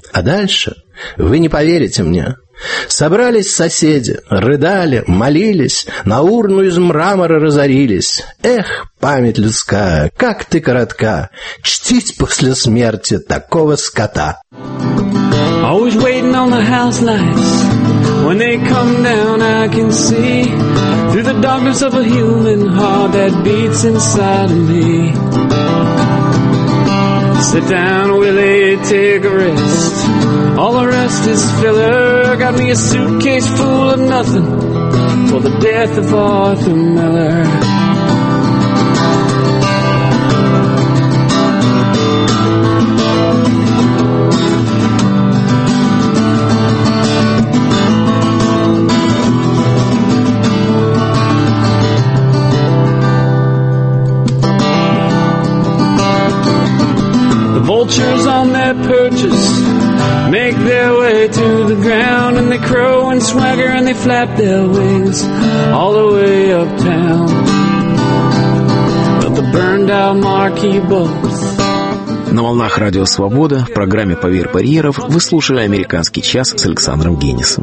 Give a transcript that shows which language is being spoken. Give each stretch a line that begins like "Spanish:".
Russian: А дальше, вы не поверите мне, собрались соседи, рыдали, молились, на урну из мрамора разорились. Эх, память людская, как ты коротка, чтить после смерти такого скота».
English: Always waiting on the house lights. When they come down, I can see through the darkness of a human heart that beats inside of me. Sit down, Willie, take a rest. All the rest is filler. Got me a suitcase full of nothing for the death of Arthur Miller. Vultures on their perches make their way to the ground, and they crow and swagger and they flap their wings all the way uptown. But the burned out marquee bulbs.
Russian: На волнах Радио Свобода в программе «Поверх барьеров» вы слушали «Американский час» с Александром Генисом.